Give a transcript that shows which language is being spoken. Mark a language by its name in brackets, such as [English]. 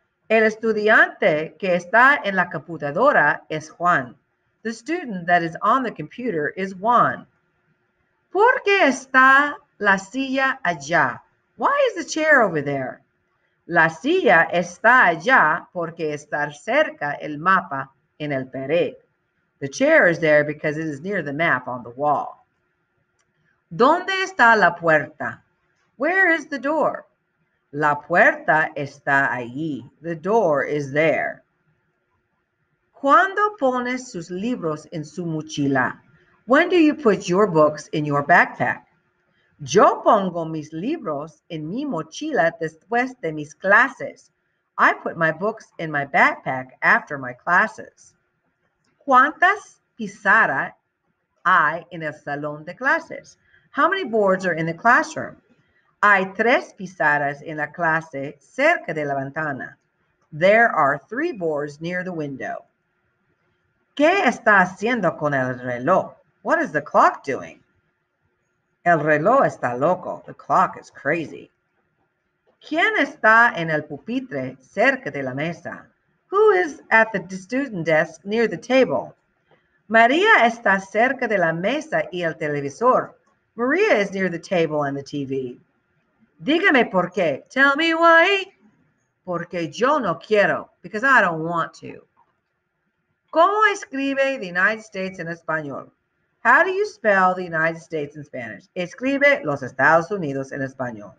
[Spanish] El estudiante que está en la computadora es Juan. [English] The student that is on the computer is Juan. [Spanish] ¿Por qué está la silla allá? [English] Why is the chair over there? [Spanish] La silla está allá porque está cerca el mapa. En el pared. [English] The chair is there because it is near the map on the wall. [Spanish] ¿Dónde está la puerta? [English] Where is the door? [Spanish] La puerta está allí. [English] The door is there. [Spanish] ¿Cuándo pones sus libros en su mochila? [English] When do you put your books in your backpack? [Spanish] Yo pongo mis libros en mi mochila después de mis clases. [English] I put my books in my backpack after my classes. [Spanish] ¿Cuántas pizarras hay en el salón de clases? [English] How many boards are in the classroom? [Spanish] Hay tres pizarras en la clase cerca de la ventana. [English] There are three boards near the window. [Spanish] ¿Qué está haciendo con el reloj? [English] What is the clock doing? [Spanish] El reloj está loco. [English] The clock is crazy. [Spanish] ¿Quién está en el pupitre cerca de la mesa? [English] Who is at the student desk near the table? [Spanish] María está cerca de la mesa y el televisor. [English] María is near the table and the TV. [Spanish] Dígame por qué. [English] Tell me why. [Spanish] Porque yo no quiero. [English] Because I don't want to. [Spanish] ¿Cómo escribe [English] the United States [Spanish] en español? [English] How do you spell the United States in Spanish? [Spanish] Escribe los Estados Unidos en español.